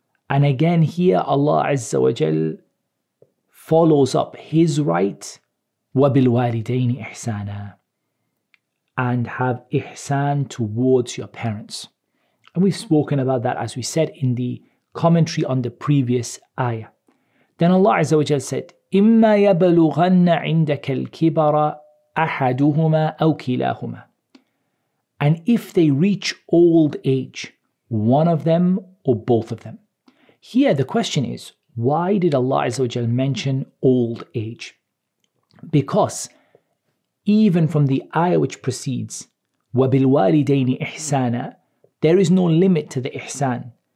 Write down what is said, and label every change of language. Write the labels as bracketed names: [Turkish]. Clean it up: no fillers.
[English] And again here, Allah Azza wa Jal follows up His right, [Arabic] وَبِالْوَالِدَيْنِ إِحْسَانًا, [English] and have ihsan towards your parents. And we've spoken about that, as we said, in the commentary on the previous ayah. Then Allah Azza wa Jal said, [Arabic] إِمَّا يَبَلُغَنَّ عِنْدَكَ الْكِبَرَ أَحَدُهُمَا أَوْ كِلَاهُمَا. [English] And if they reach old age, one of them or both of them. Here the question is, why did Allah Azza wa Jal mention old age? Because even from the ayah which precedes, [Arabic] وَبِالْوَالِدَيْنِ إِحْسَانًا, [English] there is no limit to the ihsan.